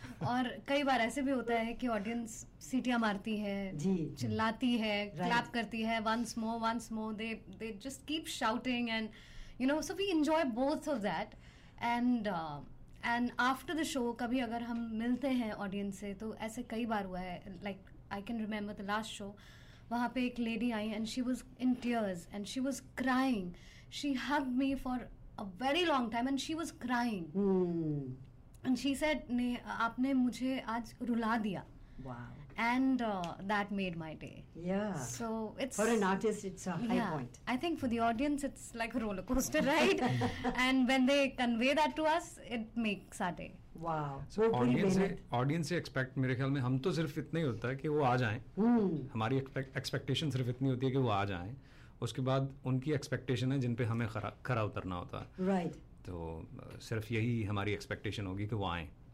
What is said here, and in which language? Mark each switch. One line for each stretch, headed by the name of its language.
Hindi: और कई बार ऐसे भी होता है कि ऑडियंस सीटियां मारती है, चिल्लाती है, क्लैप करती है,
English: once more, they just keep shouting and you know, so we enjoy both of that and after the show
Hindi: कभी अगर हम मिलते हैं ऑडियंस से, तो ऐसे कई बार हुआ है,
English: like I can remember the last show
Hindi: वहाँ पे
English: एक लेडी आई and she was in tears and she was crying. She hugged me for a very long time and she was crying and she said
Hindi: आपने मुझे आज रुला दिया.
English: And that made my day. Yeah. So it's for an artist, it's a high point. I think for the audience, it's like a roller coaster ride. And when they convey that to us, it makes our day. Wow. So audience expect,
Hindi: मेरे ख्याल में हम तो सिर्फ इतने ही होता है कि वो आ जाएं. हमारी expectation सिर्फ इतनी होती है कि वो आ जाएं. उसके बाद उनकी expectation है जिन पे हमें खरा उतरना होता है.
English: Right.
Hindi: तो सिर्फ यही हमारी expectation होगी कि वो आएं.